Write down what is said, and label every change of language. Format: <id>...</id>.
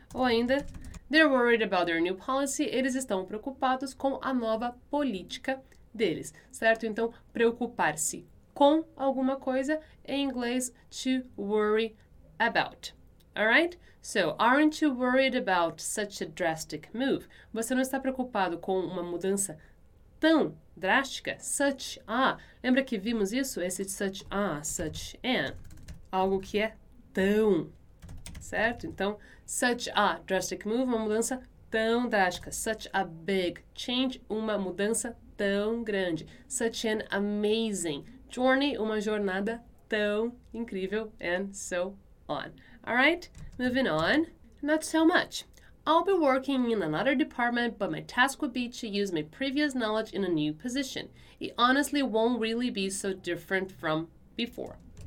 <pt>Ou ainda,</pt> <en>they're worried about their new policy.</en> <pt>Eles estão preocupados com a nova política deles. Certo? Então, preocupar-se com alguma coisa, em inglês,</pt> <en>to worry about. All right? So, aren't you worried about such a drastic move?</en> <pt>Você não está preocupado com uma mudança tão drástica? Such a. Lembra que vimos isso? Esse</pt> <en>such a, such an.</en> <pt>Algo que é tão. Certo? Então,</pt> <en>such a drastic move,</en> <pt>uma mudança tão drástica.</pt> <en>Such a big change,</en> <pt>uma mudança tão grande.</pt> <en>Such an amazing journey,</en> <pt>uma jornada tão incrível.</pt> <en>And so on. All right, moving on.</en> <pt>Not so much.</pt> <en>I'll be working in another department, but my task would be to use my previous knowledge in a new position. It honestly won't really be so different from before.</en>